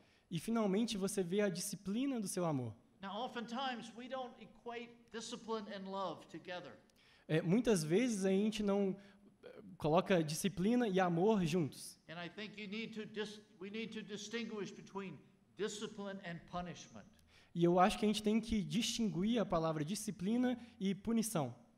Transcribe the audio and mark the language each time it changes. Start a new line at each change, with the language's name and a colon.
Portuguese: E finalmente você vê a disciplina do Seu amor.
English: Now, oftentimes we don't equate discipline and love together.
Portuguese: É, muitas vezes a gente não coloca disciplina e amor juntos. E eu acho que precisamos distinguir entre disciplina e punimento. E eu acho que a gente tem que distinguir a palavra disciplina e punição.